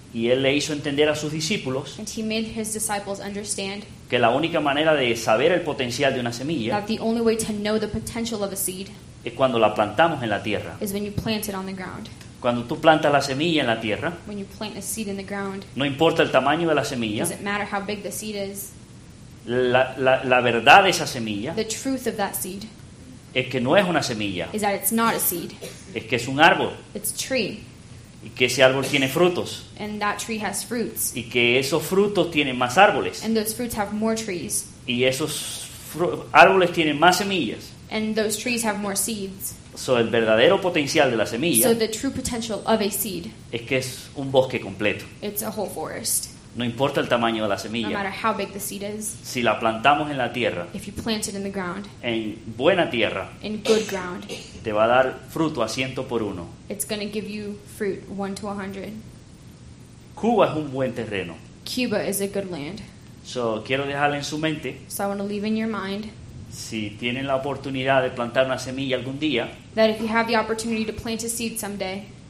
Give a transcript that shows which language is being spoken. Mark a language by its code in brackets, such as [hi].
[es] Y él le hizo entender a sus discípulos. [en] And he made his disciples understand. [es] Que la única manera de saber el potencial de una semilla. [en] That the only way to know the potential of a seed. [es] Es cuando la plantamos en la tierra. [en] Is when you plant it on the ground. [es] Cuando tú plantas la semilla en la tierra. [en] When you plant a seed in the ground. [es] No importa el tamaño de la semilla. [en] Does it matter how big the seed is? [es] La verdad de esa semilla. [en] The truth of that seed. [es] Es que no es una semilla. [en] Is that it's not a seed. [es] Es que es un árbol. [en] It's a tree. [es] Y que ese árbol tiene frutos. [en] And that tree has fruits. [es] Y que esos frutos tienen más árboles. [en] And those fruits have more trees. [es] Y esos árboles tienen más semillas. [en] And those trees have more seeds. [es] So el verdadero potencial de la semilla. [en] So the true potential of a seed. [es] Es que es un bosque completo. [en] It's a whole forest. [es] No importa el tamaño de la semilla. [en] No matter how big the seed is. [es] Si la plantamos en la tierra. [en] If you plant it in the ground. [es] En buena tierra. [en] In good ground. [es] Te va a dar fruto a 100 por 1. [en] It's going to give you fruit 1 to 100. [es] Cuba es un buen terreno. [en] Cuba is a good land. [es] So quiero dejarle en su mente. [en] So I want to leave in your mind. [es] Si tienen la oportunidad de plantar una semilla algún día. [en] That if you have the opportunity to plant a seed someday.